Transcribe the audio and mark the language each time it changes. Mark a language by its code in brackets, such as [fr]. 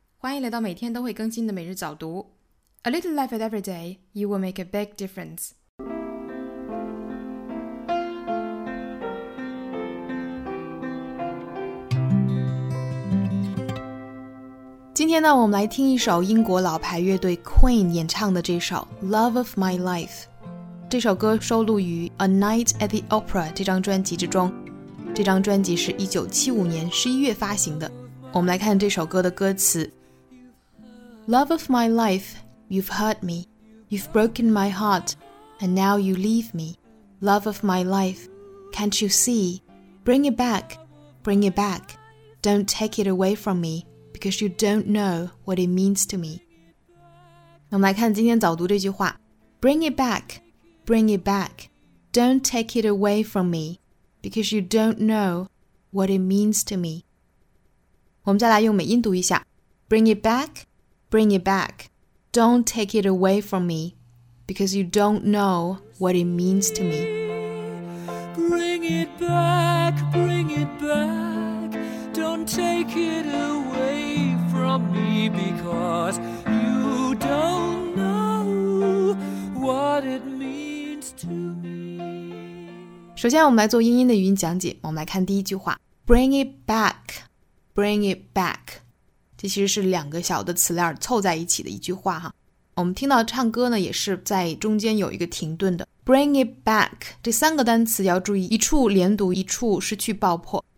[zh] 欢迎来到每天都会更新的每日早读。 [en] A little life at every day, you will make a big difference. Today, we're going to listen to [zh] 英国老牌乐队 [en] Queen [zh] 演唱的这首 [en] Love of My Life. [zh] 这首歌收录于 A Night at the Opera 这张专辑之中。这张专辑是1975年11月发行的。我们来看这首歌的歌词。 [en] Love of my life, you've hurt me. You've broken my heart, and now you leave me. Love of my life, can't you see? Bring it back, bring it back. Don't take it away from me, because you don't know what it means to me. [zh] 我们来看今天早读这句话。 [en] Bring it back, bring it back. Don't take it away from me, because you don't know what it means to me. [zh] 我们再来用美音读一下 [en] Bring it back, bring it back. Don't take it away from me, because you don't know what it means to me. Bring it back, bring it back. Don't take it away from me, because you don't know what it means to me. [zh] 首先我们来做英音的语音讲解，我们来看第一句话 [en] Bring it backBring it back. [zh] 这其实是两个小的词链凑在一起的一句话哈。我们听到唱歌呢也是在中间有一个停顿的。 [en] Bring it back. [zh] 这三个单词要注意一处连读一处失去爆破。